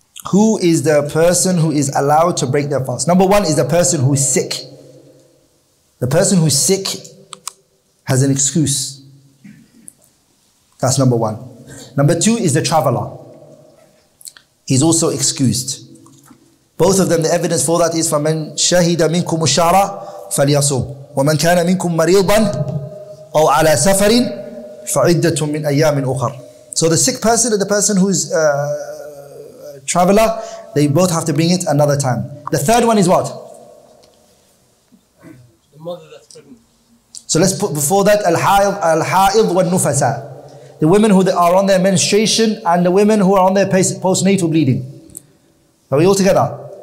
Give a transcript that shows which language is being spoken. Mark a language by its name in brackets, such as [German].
[English] Who is the person who is allowed to break their fast? Number one is the person who is sick. The person who is sick has an excuse. That's number one. Number two is the traveler. He's also excused. Both of them, the evidence for that is [Arabic] فَمَنْ شَهِدَ مِنْكُمُ الشَّعْرَ فَلْيَصُمْ وَمَنْ كَانَ مِنْكُمْ مَرِيضًا أَوْ عَلَى سَفَرٍ فَعِدَّةٌ مِنْ أَيَّامٍ أُخَرٍ. [English] So the sick person and the person who is traveler, they both have to bring it another time. The third one is what? The mother that's pregnant. So let's put before that, al-ha'id wal-nufasa. The women who are on their menstruation and the women who are on their postnatal bleeding. Are we all together?